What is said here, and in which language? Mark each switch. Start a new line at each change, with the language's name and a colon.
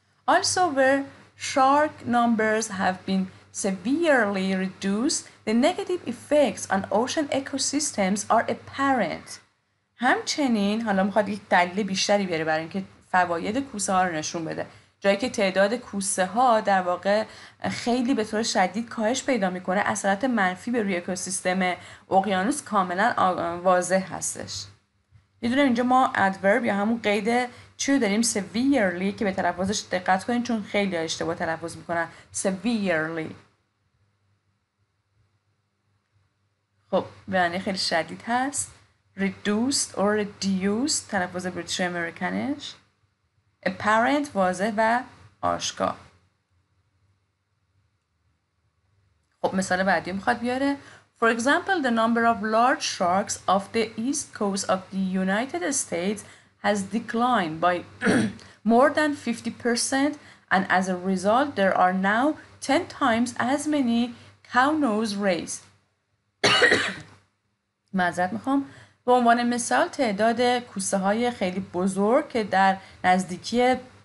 English: Also where shark numbers have been severely reduced, the negative effects on ocean ecosystems are apparent.
Persian: همچنین حالا میخواد یک دلیل بیشتری بیاره برای اینکه فواید کوسه ها رو نشون بده. جایی که تعداد کوسه ها در واقع خیلی به طور شدید کاهش پیدا میکنه اثرات منفی به روی اکوسیستم اقیانوس کاملا واضح هستش. میدونم اینجا ما ادورب یا همون قید چی رو داریم؟ severely که به تلفظش دقت کنین چون خیلی اشتباه تلفظ میکنن. severely خب به معنی خیلی شدید هست.
English: reduced or reduced
Persian: تلفظ بریتیش امریکنش. apparent واضح و آشکار. خب مثال بعدی میخواد بیاره.
English: For example, the number of large sharks off the east coast of the United States has declined by more than 50% and as a result there are now 10 times as many cow nose rays.
Persian: معذرت میخوام. به عنوان مثال تعداد کوسه های خیلی بزرگ که در نزدیکی